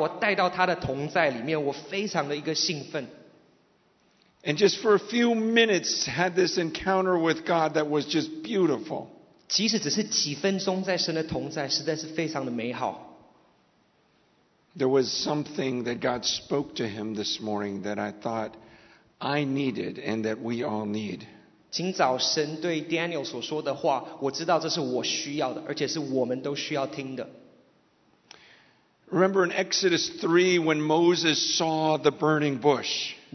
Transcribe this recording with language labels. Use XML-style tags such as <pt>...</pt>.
<zh>在刹那之间他分享的时候，神就把我带到他的同在里面，我非常的一个兴奋。</zh> <en>And just for a few minutes had this encounter with God that was just beautiful.</en> <zh>即使只是几分钟在神的同在，实在是非常的美好。</zh> <en>There was something that God spoke to him this morning that I thought I needed and that we all need.</en> <zh>今早神对Daniel所说的话，我知道这是我需要的，而且是我们都需要听的。</zh> <en>Remember in Exodus 3 when Moses saw the burning bush?</en>